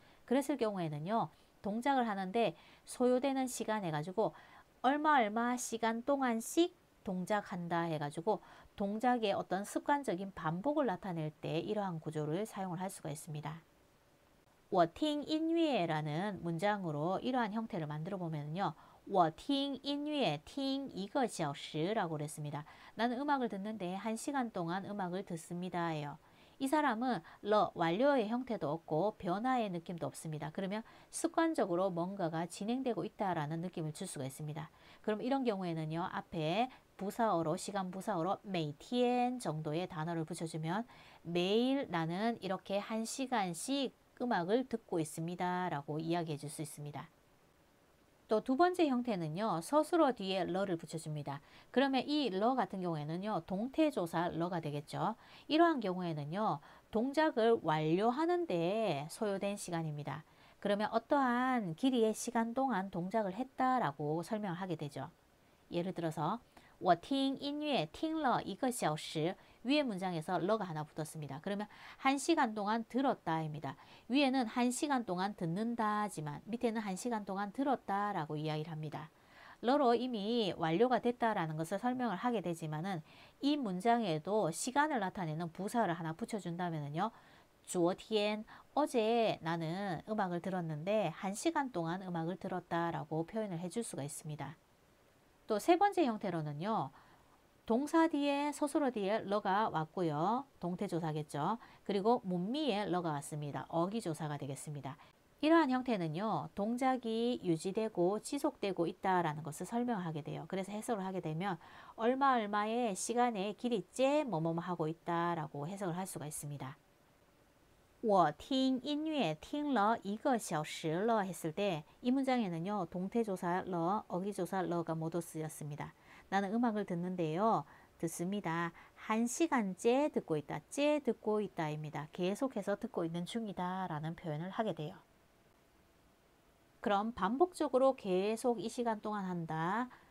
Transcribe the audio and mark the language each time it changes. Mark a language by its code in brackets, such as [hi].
[ko] 그랬을 경우에는요, 동작을 하는데 소요되는 시간 해가지고 얼마 얼마 시간 동안씩 동작한다 해가지고 동작의 어떤 습관적인 반복을 나타낼 때 이러한 구조를 사용을 할 수가 있습니다. [zh] 我听音乐 [ko] 라는 문장으로 이러한 형태를 만들어 보면요. [zh] 我听音乐听一个小时 [ko] 라고 그랬습니다. 나는 음악을 듣는데 한 시간 동안 음악을 듣습니다. 예요. 이 사람은 러, 완료의 형태도 없고 변화의 느낌도 없습니다. 그러면 습관적으로 뭔가가 진행되고 있다라는 느낌을 줄 수가 있습니다. 그럼 이런 경우에는요. 앞에 부사어로, 시간 부사어로 매티엔 정도의 단어를 붙여주면 매일 나는 이렇게 한 시간씩 음악을 듣고 있습니다 라고 이야기해 줄수 있습니다. 또두 번째 형태는요, 서술어 뒤에 러를 붙여줍니다. 그러면 이러 같은 경우에는요, 동태조사 러가 되겠죠. 이러한 경우에는요, 동작을 완료하는 데 소요된 시간입니다. 그러면 어떠한 길이의 시간 동안 동작을 했다라고 설명을 하게 되죠. 예를 들어서, [zh] 我听音乐听了一个小时. [ko] 위에 문장에서 러가 하나 붙었습니다. 그러면 한 시간 동안 들었다입니다. 위에는 한 시간 동안 듣는다지만 밑에는 한 시간 동안 들었다라고 이야기를 합니다. 러로 이미 완료가 됐다라는 것을 설명을 하게 되지만은 이 문장에도 시간을 나타내는 부사를 하나 붙여준다면은요. 昨天 어제 나는 음악을 들었는데 한 시간 동안 음악을 들었다라고 표현을 해줄 수가 있습니다. 또세 번째 형태로는요. 동사 뒤에 서술어 뒤에 러가 왔고요. 동태조사겠죠. 그리고 문미에 러가 왔습니다. 어기조사가 되겠습니다. 이러한 형태는요. 동작이 유지되고 지속되고 있다라는 것을 설명하게 돼요. 그래서 해석을 하게 되면 얼마 얼마의 시간의 길이째 뭐뭐뭐 하고 있다라고 해석을 할 수가 있습니다. [zh] 我听音乐听了一个小时了 [ko] 했을 때이 문장에는요. 동태조사 러, 어기조사 러가 모두 쓰였습니다. 나는 음악을 듣는데요. 듣습니다. 한 시간째 듣고 있다. 째 듣고 있다입니다. 계속해서 듣고 있는 중이다라는 표현을 하게 돼요. 그럼 반복적으로 계속 이 시간 동안 한다.